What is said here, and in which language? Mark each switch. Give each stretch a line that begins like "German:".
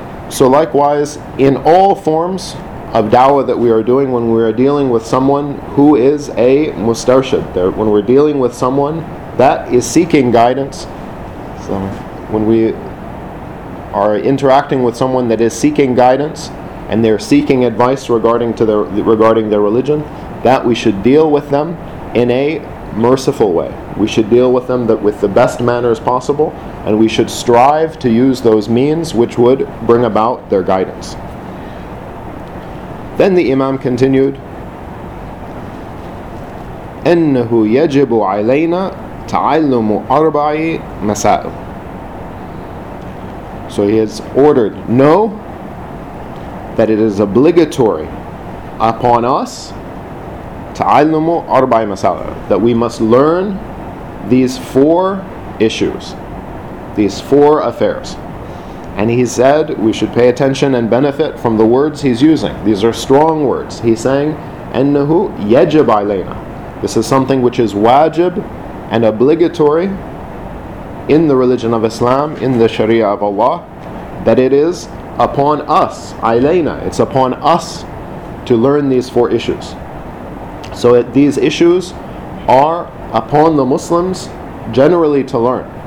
English: So likewise, in all forms of dawah that we are doing, when we are dealing with someone who is a mustarshid, when we're dealing with someone that is seeking guidance, so when we are interacting with someone that is seeking guidance, and they're seeking advice regarding their religion, that we should deal with them in a merciful way. We should deal with them with the best manners possible, and we should strive to use those means which would bring about their guidance. Then the Imam continued,
Arabic: إنه يجب علينا تعلم أربع مسائل.
English: So he has ordered, know that it is obligatory upon us
Arabic: تعلم أربع مسائل,
English: that we must learn these four issues, these four affairs. And he said we should pay attention and benefit from the words he's using. These are strong words. He's saying,
Arabic: إنه يجب علينا.
English: This is something which is wajib and obligatory in the religion of Islam, in the Sharia of Allah, that it is upon us, علينا, it's upon us to learn these four issues. So these issues are upon the Muslims generally to learn.